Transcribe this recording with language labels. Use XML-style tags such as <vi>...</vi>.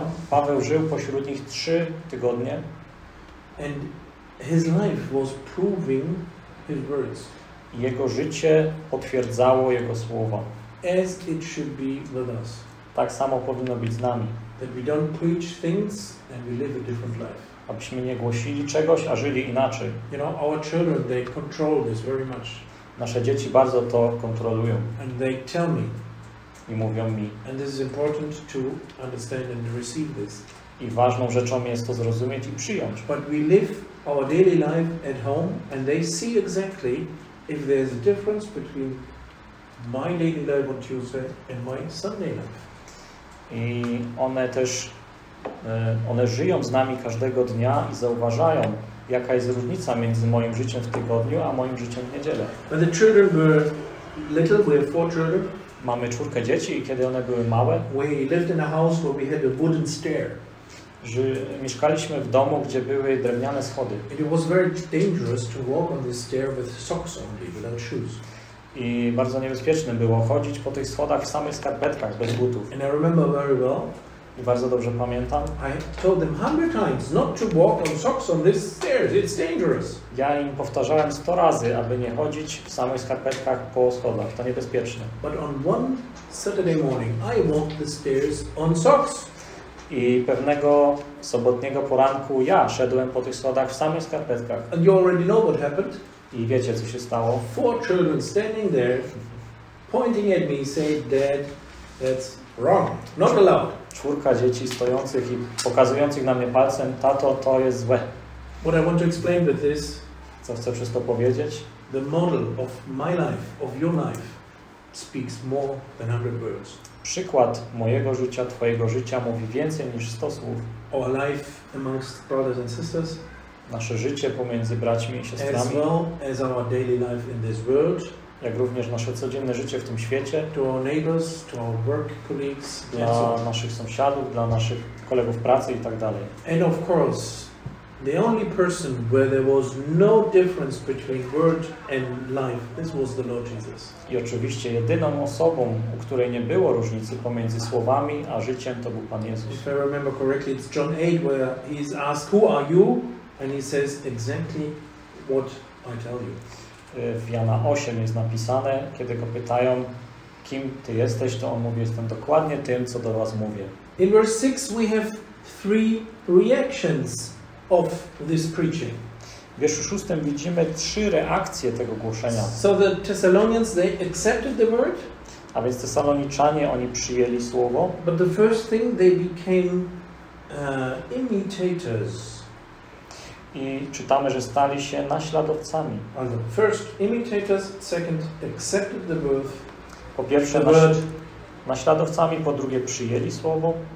<pl>Paweł żył pośród nich 3 tygodnie.</pl> <en>And his life was proving his words.</en> <pl>Jego życie potwierdzało jego słowa.</pl> <en>As it should be with us.</en> <pl>Tak samo powinno być z nami.</pl> <en>That we don't preach things and we live a different life.</en> <pl>Abyśmy nie głosili czegoś, a żyli inaczej.</pl> <en>You know, our children, they control this very much.</en> <pl>Nasze dzieci bardzo to kontrolują.</pl> <en>And they tell me.</en> <pl>I mówią mi.</pl> <en>And this is important to understand and receive this.</en> <pl>I ważną rzeczą jest to zrozumieć i przyjąć.</pl> <en>But we live our daily life at home and they see exactly if there's a difference between my daily life on Tuesday and my Sunday life.</en> <pl>I one też, one żyją z nami każdego dnia i zauważają, jaka jest różnica między moim życiem w tygodniu, a moim życiem w niedzielę.</pl> <en>When the children were little, we had 4 children.</en> <pl>Mamy 4 dzieci i kiedy one były małe,</pl> <en>we lived in a house where we had a wooden stair.</en> <pl>Mieszkaliśmy w domu, gdzie były drewniane schody.</pl> <en>It was very dangerous to walk on this stair with socks only, without shoes.</en> <pl>I bardzo niebezpieczne było chodzić po tych schodach w samych skarpetkach, bez butów.</pl> <en>And I remember very well.</en> <pl>I bardzo dobrze pamiętam.</pl> <en>I told them 100 times not to walk on socks on this stairs. It's dangerous.</en> <pl>Ja im powtarzałem 100 razy, aby nie chodzić w samych skarpetkach po schodach. To niebezpieczne.</pl> <en>But on one Saturday morning, I walked the stairs on socks.</en> <pl>I pewnego sobotniego poranku ja szedłem po tych schodach w samych skarpetkach.</pl> <en>And you already know what happened.</en> <pl>I wiecie, co się stało.</pl> <en>4 children standing there, pointing at me, say, Dad, that's wrong, not allowed.</en> <pl>4 dzieci stojących i pokazujących na mnie palcem, tato, to jest złe.</pl> <en>What I want to explain with this,</en> <pl>co chcę przez to powiedzieć?</pl> <en>The model of my life, of your life, speaks more than 100 words.</en> <pl>Przykład mojego życia, twojego życia mówi więcej niż 100 słów.</pl> <en>Our life amongst brothers and sisters.</en> <pl>Nasze życie pomiędzy braćmi i siostrami,</pl> <en>as well as our daily life in this world,</en> <pl>jak również nasze codzienne życie w tym świecie,</pl> <en>to our neighbors, to our work colleagues,</en> <pl>dla naszych sąsiadów, dla naszych kolegów pracy i tak dalej.</pl> <en>And of course, the only person where there was no difference between word and life, this was the Lord Jesus.</en> <pl>I oczywiście jedyną osobą, u której nie było różnicy pomiędzy słowami a życiem, to był Pan Jezus.</pl> <en>If I remember correctly, it's John 8 where he is asked, who are you? And he says exactly what I tell you.</en> <pl>W Jana 8 jest napisane, kiedy go pytają, kim ty jesteś, to on mówi, jestem dokładnie tym, co do was mówię.</pl> <en>In verse 6 we have 3 reactions of this preaching.</en> <pl>W wierszu 6 widzimy 3 reakcje tego głoszenia.</pl> <en>So the Thessalonians, they accepted the word.</en> <pl>A więc Thessaloniczanie, oni przyjęli słowo.</pl> <en>But the first thing, they became imitators.</en> <pl>I czytamy, że stali się naśladowcami.</pl> <en>First imitators, second accepted the word.</en> <pl>Po pierwsze word. Naśladowcami, po drugie przyjęli słowo.</pl>